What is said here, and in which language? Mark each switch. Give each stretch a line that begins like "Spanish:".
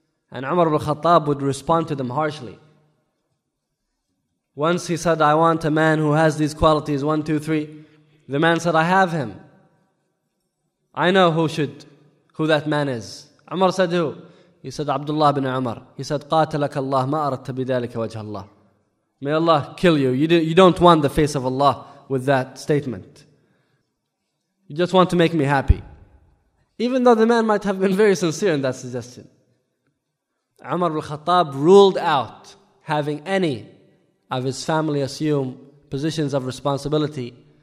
English: And Umar ibn Khattab would respond to them harshly. Once he said, I want a man who has these qualities, 1, 2, 3. The man said, I have him. I know who that man is. Umar said, who? He said, Abdullah ibn Umar. He said,
Arabic: قاتلك الله ما أردت بذلك وجه الله.
English: May Allah kill you. You don't want the face of Allah with that statement. You just want to make me happy. Even though the man might have been very sincere in that suggestion. Umar al-Khattab ruled out having any of his family assume positions of responsibility.